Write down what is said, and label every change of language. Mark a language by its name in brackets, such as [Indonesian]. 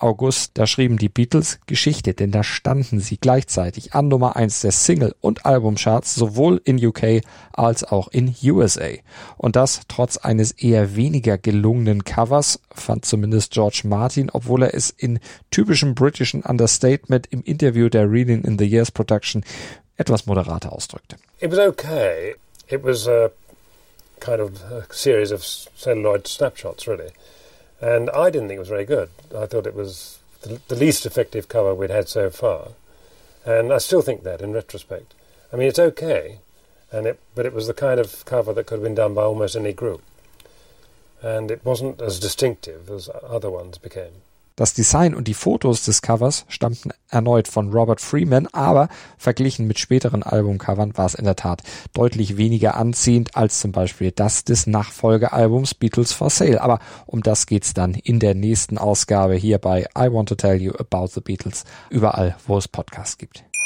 [German] August, da schrieben die Beatles Geschichte, denn da standen sie gleichzeitig an Nummer 1 der Single- und Albumcharts, sowohl in UK als auch in USA. Und das trotz eines eher weniger gelungenen Covers, fand zumindest George Martin, obwohl er es in typischem britischen Understatement im Interview der Reading in the Years Production etwas moderater ausdrückte. [English] It was okay. It was kind of a series of celluloid snapshots, really. And I didn't think it was very good. I thought it was the least effective cover we'd had so far. And I still think that in retrospect. I mean, it's okay, but it was the kind of cover that could have been done by almost any group. And it wasn't as distinctive as other ones became. [German] Das Design und die Fotos des Covers stammten erneut von Robert Freeman, aber verglichen mit späteren Albumcovern war es in der Tat deutlich weniger anziehend als zum Beispiel das des Nachfolgealbums Beatles for Sale. Aber um das geht's dann in der nächsten Ausgabe hier bei I Want to Tell You About the Beatles, überall, wo es Podcasts gibt.